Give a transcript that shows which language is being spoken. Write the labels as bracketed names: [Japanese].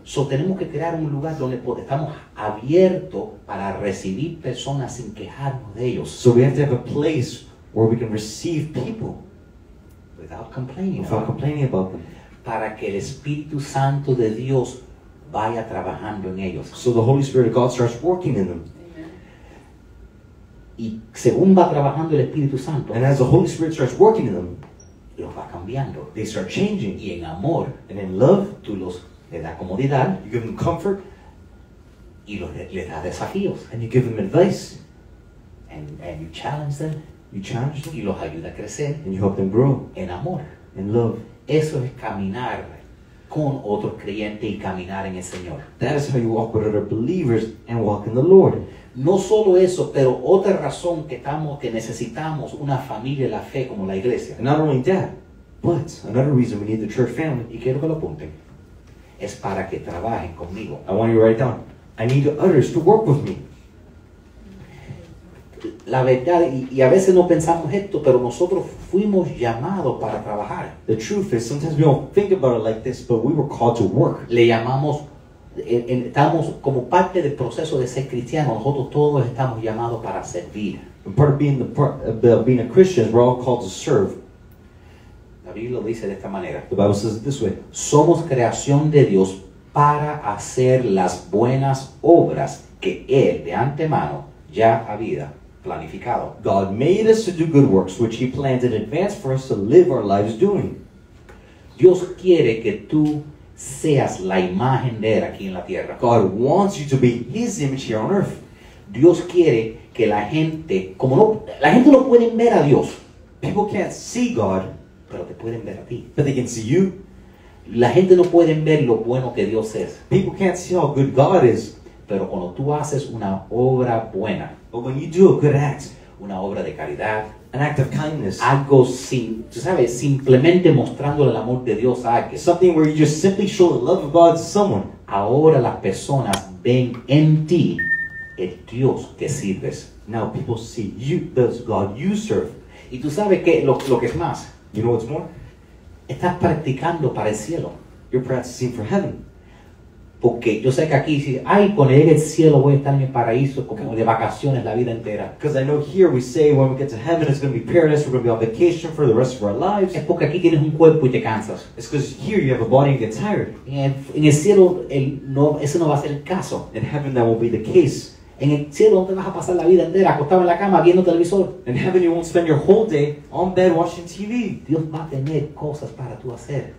[Spanish] So tenemos que crear un lugar donde estamos abiertos para recibir personas sin quejarnos de ellos. [English] So we have to have a place where we can receive people. Without complaining about them. [Spanish] Para que el Espíritu Santo de Dios vaya trabajando en ellos. [English] So the Holy Spirit of God starts working in them. [Spanish] Y según va trabajando el Espíritu Santo, [English] and as the Holy Spirit starts working in them, [Spanish] los va cambiando. [English] They start changing. [Spanish] Y en amor, [English] and in love, [Spanish] tú los le da comodidad. [English] You give them comfort. [Spanish] Y los le da desafíos. [English] And you give them advice. And you challenge them. You challenge them. [Spanish] Y los ayuda a crecer. [English] And you help them grow. [Spanish] En amor. [English] In love. [Spanish] Eso es caminar con otros creyentes y caminar en el Señor. [English] That is how you walk with other believers and walk in the Lord. [Spanish] No solo eso, pero otra razón que necesitamos una familia de la fe como la iglesia. [English] Not only that, but another reason we need the church family. [Spanish] Y quiero que lo apunten. Es para que trabajen conmigo. [English] I want you to write down. I need others to work with me. [Spanish] La verdad, y a veces no pensamos esto, pero nosotros fuimos llamados para trabajar. [English] The truth is, sometimes we don't think about it like this, but we were called to work. [Spanish] Le llamamos, estamos como parte del proceso de ser cristiano, nosotros todos estamos llamados para servir. [English] And part of being, being a Christian, we're all called to serve. [Spanish] La Biblia lo dice de esta manera. [English] The Bible says it this way. [Spanish] Somos creación de Dios para hacer las buenas obras que Él de antemano ya había planificado. [English] God made us to do good works, which He planned in advance for us to live our lives doing. [Spanish] Dios quiere que tú seas la imagen de Él aquí en la tierra. [English] God wants you to be His image here on earth. [Spanish] Dios quiere que la gente, como no, la gente no puede ver a Dios. [English] People can't see God, [Spanish] pero te pueden ver a ti. [English] But they can see you. [Spanish] La gente no puede ver lo bueno que Dios es. [English] People can't see how good God is. [Spanish] Pero cuando tú haces una obra buena, [English] but when you do a good act, [Spanish] una obra de caridad, [English] an act of kindness, [Spanish] algo sin, tú sabes, simplemente mostrándole el amor de Dios a alguien, [English] something where you just simply show the love of God to someone, [Spanish] ahora las personas ven en ti el Dios que sirves. [English] Now people see you, the God you serve. [Spanish] Y tú sabes que lo que es más, [English] you know what's more, [Spanish] estás practicando para el cielo. [English] You're practicing for heaven. [Spanish] Porque yo sé que aquí dice, ay, cuando llegue el cielo voy a estar en el paraíso como de vacaciones la vida entera. [English] Because I know here we say when we get to heaven it's going to be paradise, we're going to be on vacation for the rest of our lives. [Spanish] Es porque aquí tienes un cuerpo y te cansas. [English] It's because here you have a body and get tired. [Spanish] En el cielo, eso no va a ser el caso. [English] In heaven that will be the case. [Spanish] En el cielo no te vas a pasar la vida entera acostado en la cama viendo televisor. [English] In heaven you won't spend your whole day on bed watching TV. [Spanish] Dios va a tener cosas para tú hacer.